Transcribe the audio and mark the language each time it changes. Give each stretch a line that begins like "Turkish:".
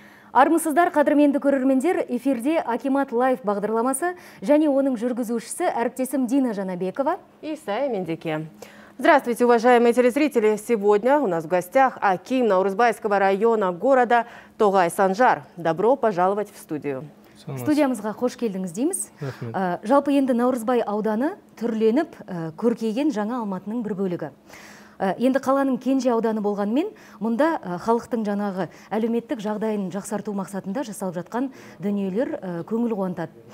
Kazakh: Армысыздар, қадірменді көрермендер, эфирде Акимат Лайф бағдарламасы және оның жүргізушісі әріптесім Дина Жанабекова. И сай, мендеке.
Russian: Здравствуйте, уважаемые телезрители. Сегодня у нас в гостях аким Наурызбайского района города Тогай Санжар. Добро пожаловать в студию.
Kazakh: Студиямызға қош келдіңіз дейміз. Жалпы енді Наурызбай ауданы түрленіп, көркейген жаңа Алматының бір бөлігі. Енді қаланың кенже ауданы болғанмен, мұнда халықтың жаңағы әлеуметтік жағдайын жақсарту мақсатында жасалып жатқан дүниелер көңіл қуантады.